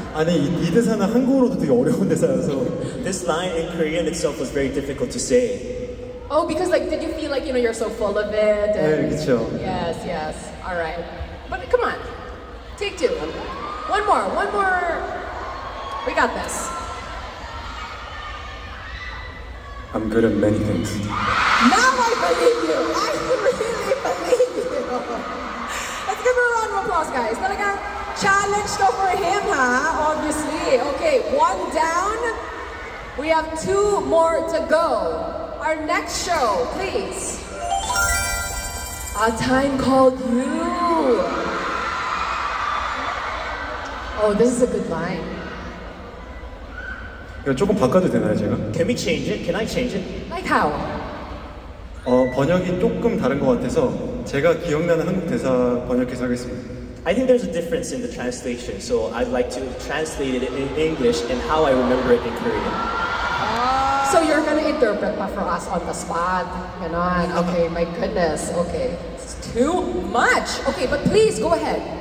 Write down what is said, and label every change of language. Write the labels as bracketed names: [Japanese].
[Korean] 아니 이 대사는 한국어로도 되게 어려운 대사여서. [English] This line in Korean itself was very difficult to say. Oh, because like, did you feel like, you know, you're so full of it? [Korean] And... 네, 그쵸. [English] Yes. All right. But come on. Take two. One more. We got this. I'm good at many things. Now I believe you! I really believe you! Let's give her a round of applause, guys. But again, challenged over him, huh? Obviously. Okay, one down. We have two more to go. Our next show, please. A Time Called You. Oh, this is a good line. [Korean] 이거 조금 바꿔도 되나요, 제가? [English] Can we change it? Can I change it? Like how? [Korean] 번역이 조금 다른 것 같아서 제가 기억나는 한국 대사 번역해서 하겠습니다. [English] I think there's a difference in the translation, so I'd like to translate it in English and how I remember it in Korean. So you're gonna interpret pa for us on the spot, ganon. Okay, my goodness. Okay, it's too much. Okay, but please go ahead.